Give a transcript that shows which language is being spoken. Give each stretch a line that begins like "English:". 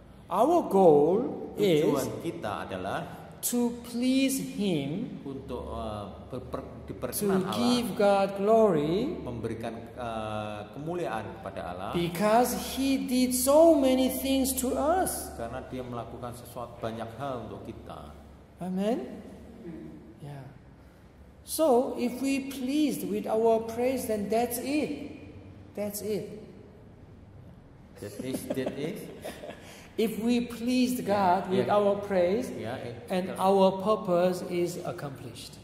English: Our goal
Indonesian: tujuan kita adalah
English: to please him,
Indonesian: untuk diperkenan Allah,
English: to give God glory,
Indonesian: memberikan kemuliaan kepada Allah,
English: because he did so many things to us,
Indonesian: karena dia melakukan sesuatu banyak hal untuk kita.
English: Amen. Yeah. So if we pleased with our praise, then that's it. That's it. That is. If we pleased God with our praise, and our purpose is accomplished.